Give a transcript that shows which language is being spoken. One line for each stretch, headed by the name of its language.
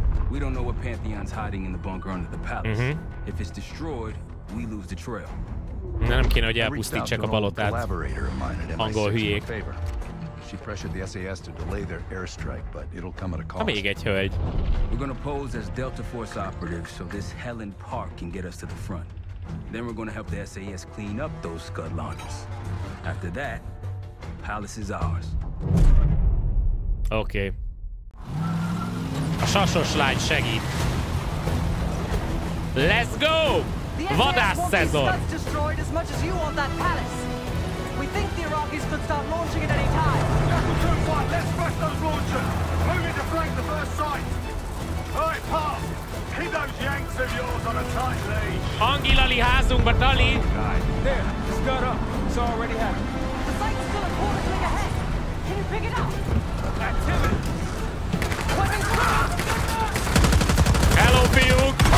English: We don't know what Pantheon's hiding in the bunker under the palace. Mm-hmm. If it's destroyed, we lose the trail.
Hungarian: Nem kéne, hogy elpusztítsák a palotát. Angol hülyék.
English: She pressured the SAS to delay their airstrike, but it'll come at a cost.
Hungarian: Még egy hölgy.
English: We're gonna pose as Delta Force operatives so this Helen Park can get us to the front. Then we're gonna help the SAS clean up those scud launchers. After that, palace is ours.
Hungarian: Okay. A sasos lány segít.
English: Let's go!
Hungarian: Vadász szezon!
English: We think the Iraqis could start launching at any time. Jackal 2-5, let's rush those launchers. Move into flank the first sight. All right, pal. Keep those Yanks of yours on a tight leash. Angi lali házunkba, Dali. There, just got up. It's already happened. The sight's still a quarter click ahead. Can you pick it up? Activity. Weapons fire!
Hungarian: Hello, fiúk!